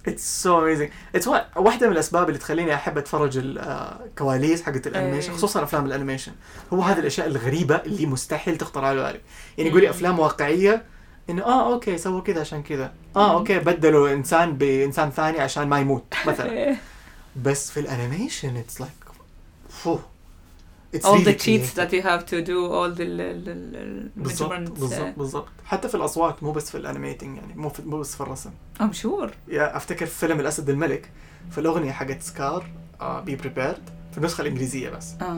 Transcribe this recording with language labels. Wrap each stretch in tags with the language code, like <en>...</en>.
<en>It's so amazing It's</en> <ar>واحدة من الأسباب اللي تخليني أحب أتفرج الكواليس حقت الأنيميشن خصوصا أفلام الأنيميشن هو هذه الأشياء الغريبة اللي مستحيل تخطر على بالك يعني يقولي أفلام واقعية إنه أوكي سووا كذا عشان كذا أوكي بدلوا إنسان بإنسان ثاني عشان ما يموت مثلا بس في الأنيميشن</ar> <en>It's like</en> <ar>فوه</ar> <en>It's all really the cheats that you have to do, all the</en> <ar>بالضبط بالضبط بالضبط حتى في الأصوات مو بس في الأنيميتنج يعني مو بس في الرسم.</ar> <en>I'm sure.</en> <ar>يا أفتكر في فيلم الأسد الملك في الأغنية حقت سكار be prepared في النسخة الإنجليزية بس.</ar>